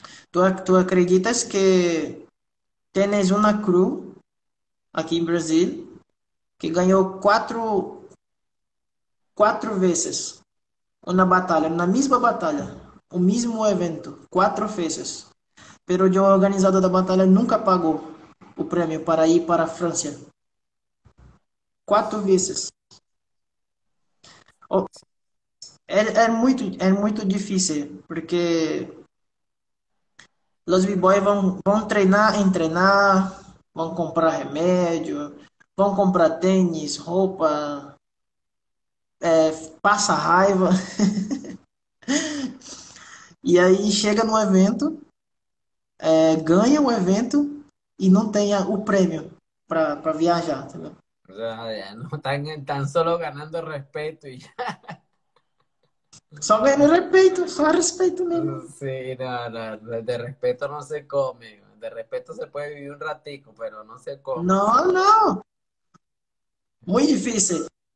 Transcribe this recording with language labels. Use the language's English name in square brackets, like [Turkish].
[Spanish] ¿Tú acreditas que tienes una crew aquí en Brasil que ganó cuatro veces una batalla, una misma batalla, un mismo evento, cuatro veces, pero yo organizador de la batalla nunca pagó [Portuguese] o prêmio [Spanish] para ir para Francia [Portuguese] quatro vezes? É muito difícil porque os b-boys vão treinar, vão comprar remédio, vão comprar tênis, roupa, passa raiva e aí chega no evento, ganha o evento e não tenha o prêmio para viajar, entendeu? [Spanish] O sea, no están tan solo ganando respeto y ya. [Portuguese] Só ganha respeito, só respeito mesmo. [Spanish] Sí, no, no, de respeto no se come. De respeto se puede vivir un ratico, pero no se come. No, no. Muy difícil.